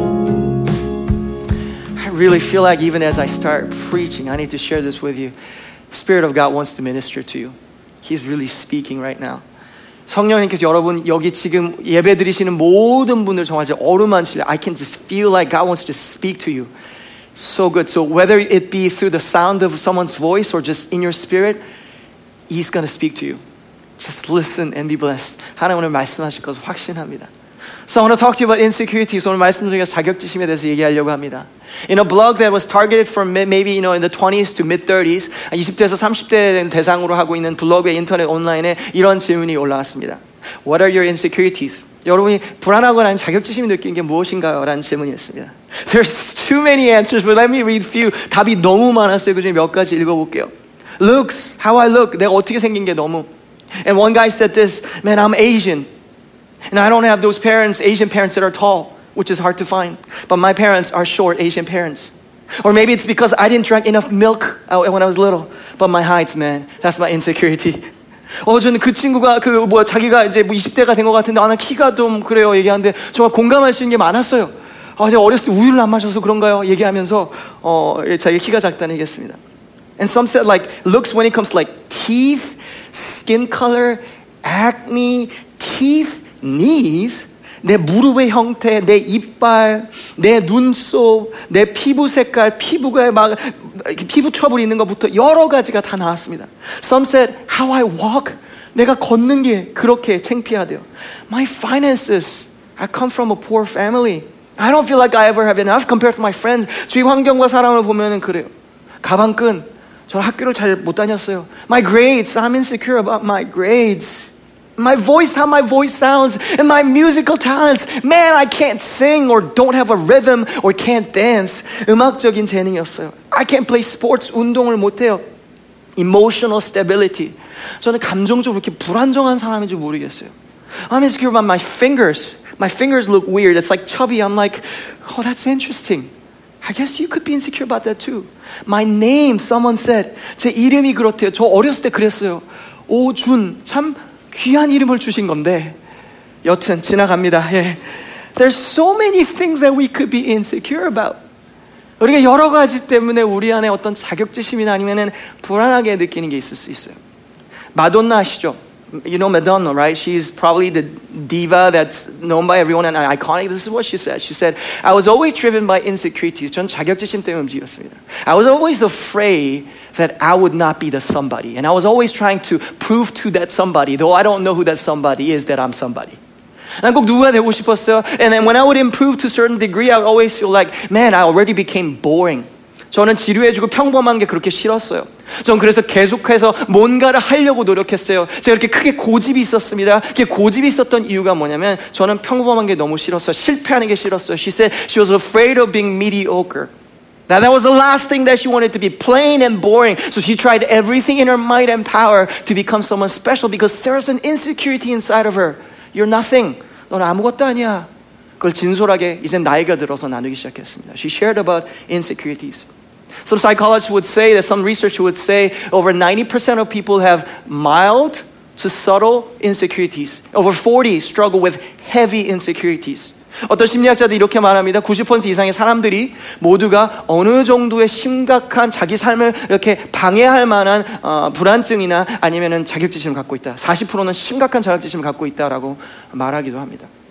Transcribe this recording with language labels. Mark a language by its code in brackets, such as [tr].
[en] really feel like even as I start preaching, I need to share this with you. Spirit of God wants to minister to you. He's really speaking right now. [ko] 성령님께서 여러분 여기 지금 예배드리시는 모든 분들 정말 어루만질래. [en] I can just feel like God wants to speak to you. So good. So whether it be through the sound of someone's voice or just in your spirit, He's going to speak to you. Just listen and be blessed. [ko] 하나님 오늘 말씀하실 것을 확신합니다. [en] So I want to talk to you about insecurities. [ko] 오늘 말씀 중에 자격지심에 대해서 얘기하려고 합니다. [en] In a blog that was targeted for maybe, you know, in the 20s to mid-30s, [ko] 20대에서 30대 대상으로 하고 있는 블로그의 인터넷 온라인에 이런 질문이 올라왔습니다. [en] What are your insecurities? [ko] 여러분이 불안하거나 자격지심이 느끼는 게 무엇인가요? 라는 질문이었습니다. [en] There's too many answers, but let me read a few. [ko] 답이 너무 많았어요. 그 중에 몇 가지 읽어볼게요. [en] Looks, how I look. [ko] 내가 어떻게 생긴 게 너무. [en] And one guy said this, man, I'm Asian. And I don't have those parents, Asian parents that are tall, which is hard to find. But my parents are short Asian parents. Or maybe it's because I didn't drink enough milk when I was little. But my heights, man, that's my insecurity. [ko] 저는 그 친구가 그 뭐 자기가 이제 뭐 20대가 된 것 같은데 나 키가 좀 그래요 얘기하는데 정말 공감할 수 있는 게 많았어요. 제가 어렸을 때 우유를 안 마셔서 그런가요? 얘기하면서 자기 키가 작다는 얘기했습니다. [en] And some said like looks when it comes to like teeth, skin color, acne, teeth, knees, [ko] 내 무릎의 형태, 내 이빨, 내 눈썹, 내 피부 색깔, 피부가 막 피부 트러블 있는 것부터 여러 가지가 다 나왔습니다. [en] Some said how I walk, [ko] 내가 걷는 게 그렇게 창피하대요. [en] My finances, I come from a poor family. I don't feel like I ever have enough compared to my friends. [ko] 주위 환경과 사람을 보면은 그래요. 가방끈, 저는 학교를 잘 못 다녔어요. [en] My grades, I'm insecure about my grades. My voice, how my voice sounds, and my musical talents. Man, I can't sing or don't have a rhythm or can't dance. [ko] 음악적인 재능이 없어요. [en] I can't play sports, [ko] 운동을 못해요. [en] Emotional stability. [ko] 저는 감정적으로 이렇게 불안정한 사람인지 모르겠어요. [en] I'm insecure about my fingers. My fingers look weird. It's like chubby. I'm like, oh, that's interesting. I guess you could be insecure about that too. My name, someone said. [ko] 제 이름이 그렇대요. 저 어렸을 때 그랬어요. 오준, 참 귀한 이름을 주신 건데 여튼 지나갑니다. 예. [en] There's so many things that we could be insecure about. [ko] 우리가 여러 가지 때문에 우리 안에 어떤 자격지심이나 아니면은 불안하게 느끼는 게 있을 수 있어요. 마돈나 아시죠? [en] You know Madonna, right? She's probably the diva that's known by everyone and iconic. This is what she said. She said, I was always driven by insecurities. [ko] 전 자격지심 때문에 움직였습니다. [en] I was always afraid that I would not be the somebody. And I was always trying to prove to that somebody, though I don't know who that somebody is, that I'm somebody. [ko] 난 꼭 누가 되고 싶었어요. [en] And then when I would improve to a certain degree, I would always feel like, man, I already became boring. [ko] 저는 지루해지고 평범한 게 그렇게 싫었어요. 전 그래서 계속해서 뭔가를 하려고 노력했어요. 제가 이렇게 크게 고집이 있었습니다. 그 고집이 있었던 이유가 뭐냐면 저는 평범한 게 너무 싫었어요. 실패하는 게 싫었어요. [en] She said she was afraid of being mediocre. Now that was the last thing that she wanted to be, plain and boring. So she tried everything in her might and power to become someone special because there was an insecurity inside of her. You're nothing. [ko] 넌 아무것도 아니야. 그걸 진솔하게 이제 나이가 들어서 나누기 시작했습니다. [en] She shared about insecurities. Some psychologists would say that some research would say over 90% of people have mild to subtle insecurities. Over 40 struggle with heavy insecurities. [ko] 어떤 심리학자들이 이렇게 말합니다. 90% 이상의 사람들이 모두가 어느 정도의 심각한 자기 삶을 이렇게 방해할 만한 불안증이나 아니면은 자격지심을 갖고 있다. 40%는 심각한 자격지심을 갖고 있다라고 말하기도 합니다.